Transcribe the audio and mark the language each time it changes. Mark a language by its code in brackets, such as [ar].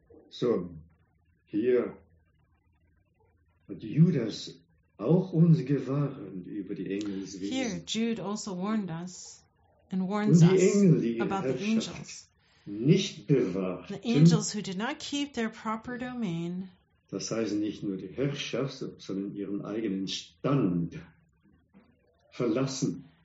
[de] So, here, Judas auch uns gewarnt über die Engelswesen. [en] Here, Jude also warned us and warns us about the angels. [de] Nicht bewahrt, [en] the angels who did not keep their proper domain. [de] Das heißt nicht nur die Herrschaft, sondern ihren eigenen Stand verlassen.